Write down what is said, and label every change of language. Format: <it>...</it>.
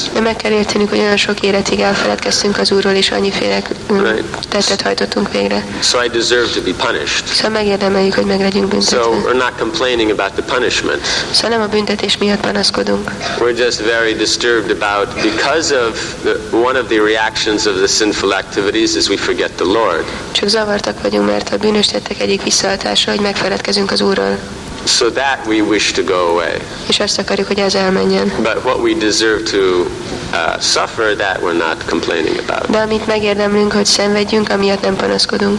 <hu>De meg kell értenünk, hogy olyan sok életig elfeledkeztünk az Úrról, és annyiféle tettet hajtottunk végre.</hu> <en>So I deserve to be punished.</en> <hu>Szóval megérdemeljük, hogy meg legyünk büntetve.</hu> <en>So we're not complaining about the punishment.</en> <hu>Szóval nem a büntetés miatt panaszkodunk.</hu> <en>We're just very disturbed about, because of the, one of the reactions of the sinful activities is we forget the Lord.</en> <hu>Csak zavartak vagyunk, mert a bűnös tettek egyik visszahatása, hogy megfeledkezünk az Úrról.</hu> <en>So that we wish to go away.</en> <hu>És azt akarjuk, hogy ez elmenjen.</hu> <en>But what we deserve to suffer, that we're not complaining about.</en> <hu>De amit megérdemlünk, hogy szenvedjünk, amiatt nem panaszkodunk.</hu>